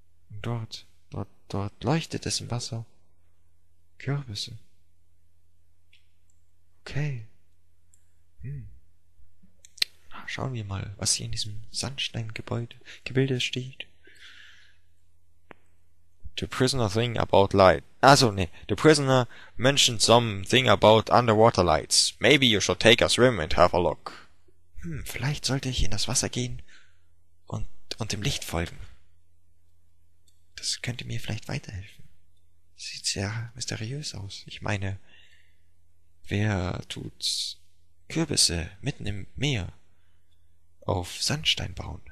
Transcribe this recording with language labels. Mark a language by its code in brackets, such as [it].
[de] Und dort leuchtet es im Wasser. Kürbisse. Okay. Na, schauen wir mal, was hier in diesem Sandsteingebilde steht. [en] The prisoner thing about light. [de] Also, nee. [en] The prisoner mentioned some thing about underwater lights. Maybe you should take a swim and have a look. [de] Vielleicht sollte ich in das Wasser gehen und dem Licht folgen. Das könnte mir vielleicht weiterhelfen. Sieht sehr mysteriös aus. Ich meine, wer tut Kürbisse mitten im Meer auf Sandstein bauen?